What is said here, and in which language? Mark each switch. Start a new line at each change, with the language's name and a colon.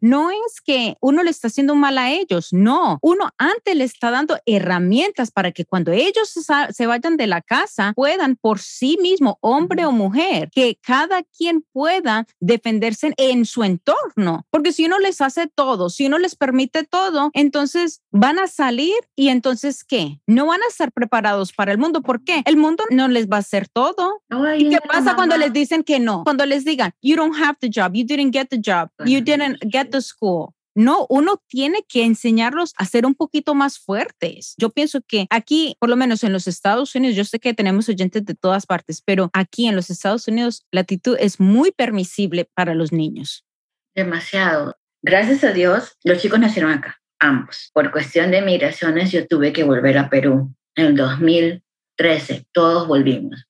Spanish: No es que uno le está haciendo mal a ellos, no. Uno antes le está dando herramientas para que cuando ellos se vayan de la casa, puedan por sí mismo, hombre o mujer, que cada quien pueda defenderse en su entorno. Porque si uno les hace todo, si uno les permite todo, entonces van a salir y entonces, ¿qué? No van a estar preparados para el mundo. ¿Por qué? El mundo no les va a hacer todo. No va ¿Y qué pasa cuando les dicen que no? Cuando les digan,
English: you don't have the job, you didn't get the job, you didn't get the school.
Spanish: No, uno tiene que enseñarlos a ser un poquito más fuertes. Yo pienso que aquí, por lo menos en los Estados Unidos, yo sé que tenemos oyentes de todas partes, pero aquí en los Estados Unidos, la actitud es muy permisible para los niños. Demasiado. Gracias a Dios, los chicos nacieron acá, ambos. Por cuestión de migraciones, yo tuve que volver a Perú en el 2013. Todos volvimos.